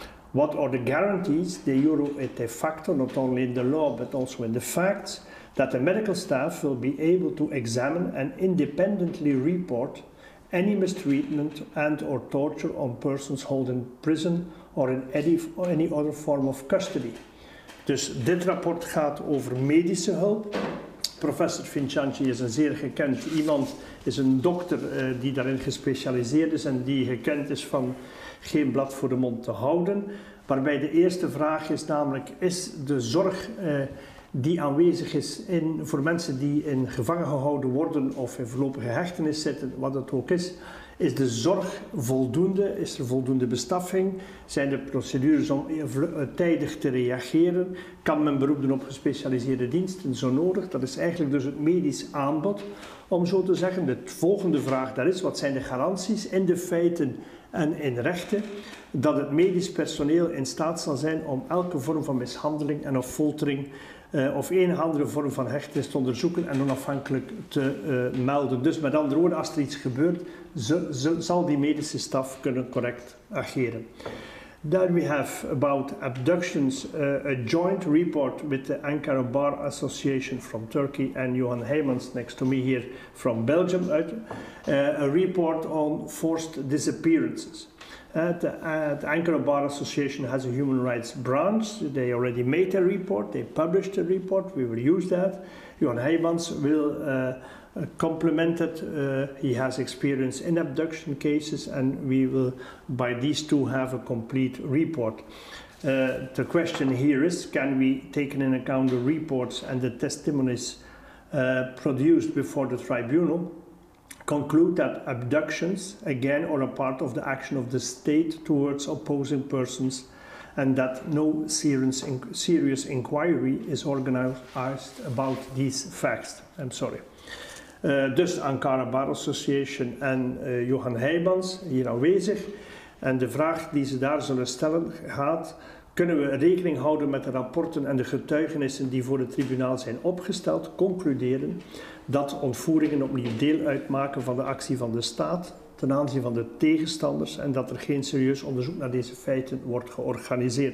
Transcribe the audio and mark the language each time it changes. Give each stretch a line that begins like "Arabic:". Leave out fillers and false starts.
English: What are the guarantees, de jure et de facto, not only in the law but also in the facts, that the medical staff will be able to examine and independently report any mistreatment and or torture on persons held in prison or in any other form of custody?
Dutch: Dus dit rapport gaat over medische hulp. Professor Finçanci is een zeer gekend iemand, is een dokter die daarin gespecialiseerd is en die gekend is van geen blad voor de mond te houden. Waarbij de eerste vraag is namelijk, is de zorg die aanwezig is voor mensen die in gevangen gehouden worden of in voorlopige hechtenis zitten, wat het ook is, is de zorg voldoende? Is er voldoende bestaffing? Zijn er procedures om tijdig te reageren? Kan men beroep doen op gespecialiseerde diensten zo nodig? Dat is eigenlijk dus het medisch aanbod, om zo te zeggen. De volgende vraag daar is, wat zijn de garanties in de feiten en in rechten dat het medisch personeel in staat zal zijn om elke vorm van mishandeling en of foltering of een andere vorm van hechtenis te onderzoeken en onafhankelijk te melden. Dus met andere woorden, als er iets gebeurt, zal die medische staf kunnen correct ageren.
English: Then we have about abductions, a joint report with the Ankara Bar Association from Turkey and Johan Heymans next to me here from Belgium, a report on forced disappearances. The Ankara Bar Association has a human rights branch. They already made a report. They published a report. We will use that. Johan Heymans will complement it. He has experience in abduction cases, and we will, by these two, have a complete report. The question here is, can we take into account the reports and the testimonies produced before the tribunal? Conclude that abductions, again, are a part of the action of the state towards opposing persons and that no serious inquiry is organized about these facts. I'm sorry.
Dutch: Dus Ankara Bar Association en Johan Heymans hier aanwezig. En de vraag die ze daar zullen stellen gaat, Kunnen we rekening houden met de rapporten en de getuigenissen die voor het tribunaal zijn opgesteld, concluderen dat ontvoeringen opnieuw deel uitmaken van de actie van de staat ten aanzien van de tegenstanders en dat er geen serieus onderzoek naar deze feiten wordt georganiseerd.